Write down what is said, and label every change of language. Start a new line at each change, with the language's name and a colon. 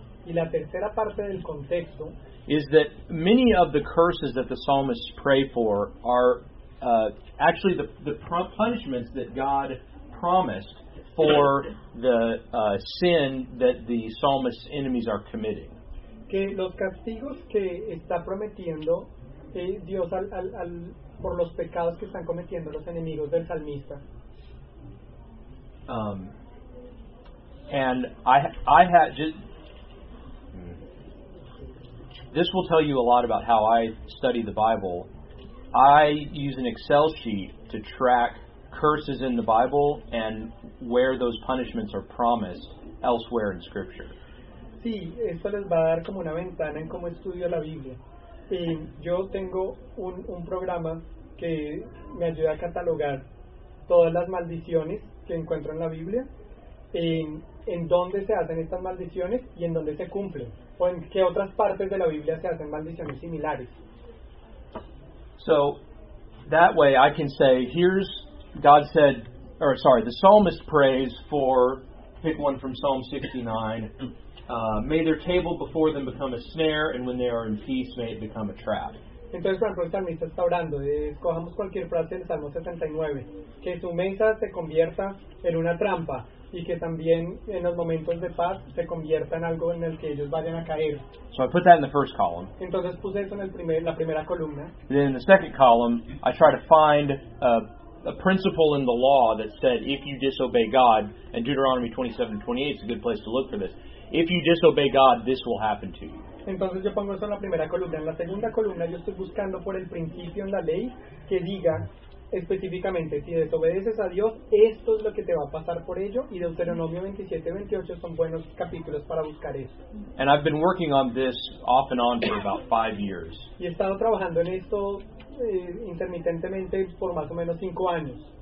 Spanish: y la tercera parte del contexto,
English: is that many of the curses that the psalmists pray for are actually the punishments that God promised for the sin that the psalmist's enemies are committing.
Spanish: Que los castigos que está prometiendo Dios al por los pecados que están cometiendo los enemigos del salmista.
English: And I had just this will tell you a lot about how I study the Bible. I use an Excel sheet to track curses in the Bible and where those punishments are promised elsewhere in Scripture.
Spanish: Sí, esto les va a dar como una ventana en cómo estudio la Biblia. Y yo tengo un programa que me ayuda a catalogar todas las maldiciones que encuentro en la Biblia, en dónde se hacen estas maldiciones y en dónde se cumplen, o en qué otras partes de la Biblia se hacen maldiciones similares.
English: So, that way I can say, here's, God said, or sorry, the psalmist prays for, pick one from Psalm 69, may their table before them become a snare, and when they are in peace, may it become a trap.
Spanish: Entonces, por ejemplo, el salmista está orando, escojamos cualquier frase del Salmo 69, que su mesa se convierta en una trampa, y que también en los momentos de paz se convierta en algo en el que ellos vayan a caer.
English: So I put that in the first column.
Spanish: Entonces puse eso en la primera columna.
English: Then in the second column, I try to find a principle in the law that said, if you disobey God, and Deuteronomy 27:28 is a good place to look for this, if you disobey God, this will happen to you.
Spanish: Entonces yo pongo eso en la primera columna. En la segunda columna yo estoy buscando por el principio en la ley que diga, específicamente, si desobedeces a Dios, esto es lo que te va a pasar por ello, y Deuteronomio 27:28 son buenos capítulos para buscar eso.
English: And I've been working on this off and on for about 5 years.
Spanish: Y he estado trabajando en esto intermitentemente por más o menos 5 años.